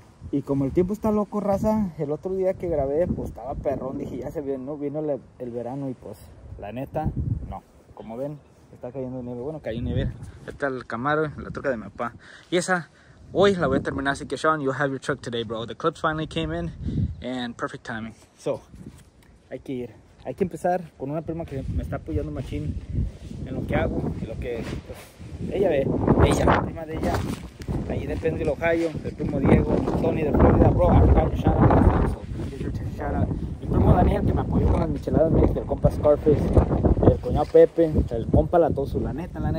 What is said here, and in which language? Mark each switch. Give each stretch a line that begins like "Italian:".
Spanish: Y como el tiempo está loco, raza, el otro día que grabé, pues estaba perrón. Dije, ya se vino, ¿no? Vino el verano y pues, la neta, no. Como ven, está cayendo nieve. Bueno, cayó nieve. Está el Camaro, la troca de mi papá. Y esa. Hoy la voy a terminar, así que Sean,
English: you'll have your truck today, bro. The clips finally came in, and perfect timing.
Spanish: So, hay que ir. Hay que empezar con una prima que me está apoyando machín en lo que hago, en lo que... Pues, ella ve, ella, la prima de ella. Ahí depende el Ohio, el primo Diego, Tony de Florida.
English: Bro, I forgot your shout-out. So, shout-out.
Spanish: Mi primo Daniel, que me apoyó con las micheladas, mi ex, el compa Scarface, el cuñado Pepe, el compa Latoso, la neta.